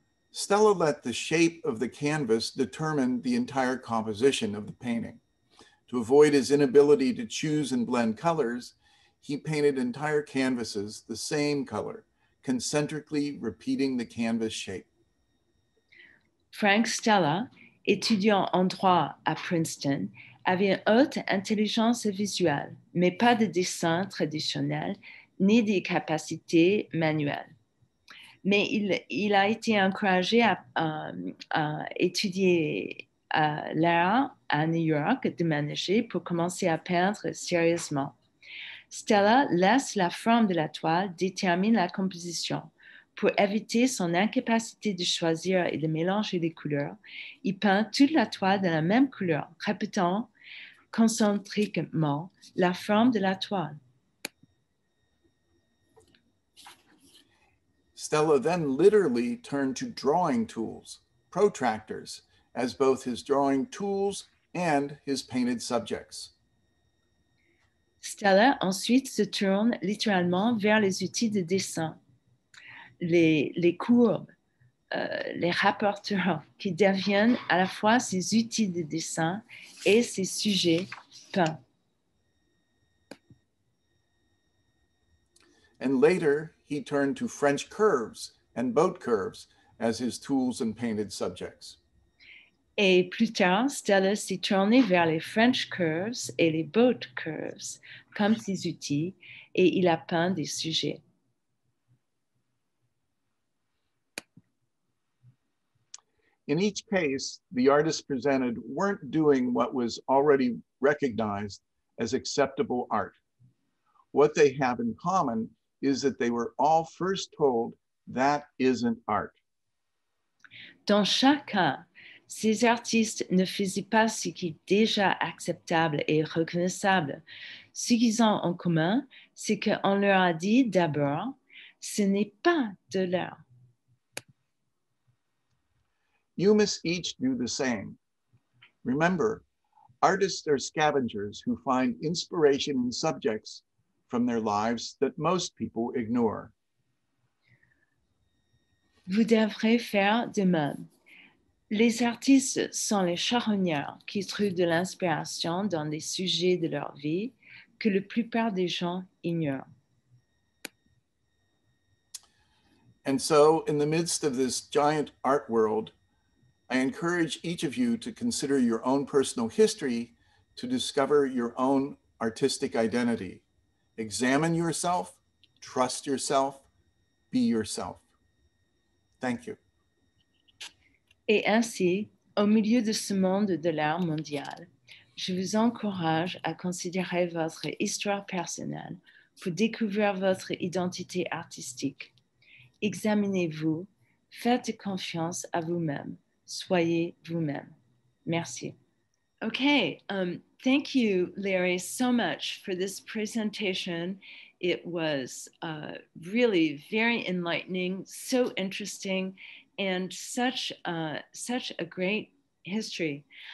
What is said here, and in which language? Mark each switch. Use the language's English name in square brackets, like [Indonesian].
[English] Stella let the shape of the canvas determine the entire composition of the painting. To avoid his inability to choose and blend colors, he painted entire canvases the same color, concentrically repeating the canvas shape. [French] Frank Stella, étudiant en droit à Princeton, avait une haute intelligence visuelle, mais pas de dessin traditionnel ni des capacités manuelles. Mais il a été encouragé à étudier l'art à New York, déménager pour commencer à peindre sérieusement. Stella laisse la forme de la toile déterminer la composition. Pour éviter son incapacité de choisir et de mélanger les couleurs, il peint toute la toile de la même couleur, répétant concentriquement la forme de la toile. [English] Stella then literally turned to drawing tools, protractors, as both his drawing tools and his painted subjects. [French] Stella ensuite se tourne littéralement vers les outils de dessin, les courbes, les rapporteurs qui deviennent à la fois ses outils de dessin et ses sujets peints. [English] And later, he turned to French curves and boat curves as his tools and painted subjects. [French] Et plus tard, Stella s'est tourné vers les French curves et les boat curves comme ses outils, et il a peint des sujets. [English] In each case, the artists presented weren't doing what was already recognized as acceptable art. What they have in common is that they were all first told that isn't art. [French] Dans chaque cas, ces artistes ne faisaient pas ce qui est déjà acceptable et reconnaissable. Ce qu'ils ont en commun, c'est qu'on leur a dit d'abord, ce n'est pas de l'art. [English] You must each do the same. Remember, artists are scavengers who find inspiration in subjects from their lives that most people ignore. [French] Vous devrez faire de même. Les artistes sont les charognards qui trouvent de l'inspiration dans des sujets de leur vie que la plupart des gens ignorent. [English] And so, in the midst of this giant art world, I encourage each of you to consider your own personal history to discover your own artistic identity. Examine yourself, trust yourself, be yourself. Thank you. [French] Et ainsi, au milieu de ce monde de l'art mondial, je vous encourage à considérer votre histoire personnelle pour découvrir votre identité artistique. Examinez-vous, faites confiance à vous-même, soyez vous-même. Merci. Okay. [English] Thank you, Larry, so much for this presentation. It was really very enlightening, so interesting, and such a great history.